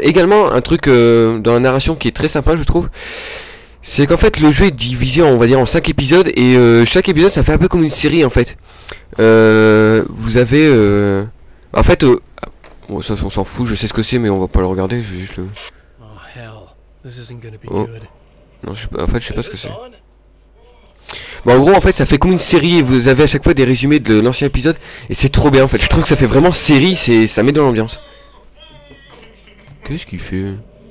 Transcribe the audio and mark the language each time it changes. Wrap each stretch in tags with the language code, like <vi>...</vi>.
<fr>Également, un truc dans la narration qui est très sympa, je trouve, c'est qu'en fait, le jeu est divisé, on va dire, en 5 épisodes, et chaque épisode, ça fait un peu comme une série, en fait. Vous avez... En fait, bon, ça, on s'en fout, je sais ce que c'est, mais on va pas le regarder, je vais juste le...</fr> <en>Oh, hell, this isn't gonna be good.</en> <fr>Non, je sais pas ce que c'est. Bon, en gros, en fait, ça fait comme une série et vous avez à chaque fois des résumés de l'ancien épisode. Et c'est trop bien, en fait. Je trouve que ça fait vraiment série, ça met dans l'ambiance. Qu'est-ce qu'il fait ?</fr>